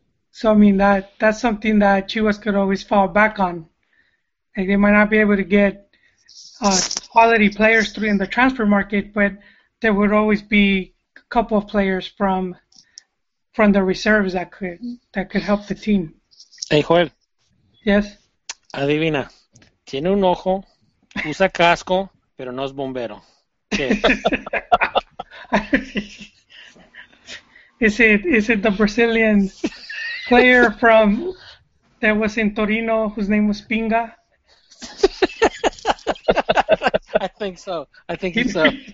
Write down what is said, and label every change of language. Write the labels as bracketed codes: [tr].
[en] So, I mean, that's something that Chivas could always fall back on. Like, they might not be able to get quality players through in the transfer market, but there would always be a couple of players from the reserves that could help the team. Hey, Joel. Yes? [es] Adivina. Tiene un ojo, usa casco, pero no es bombero. ¿Qué? [en] Is it the Brazilian player from that was in Torino whose name was Pinga? I think so. I think he's so.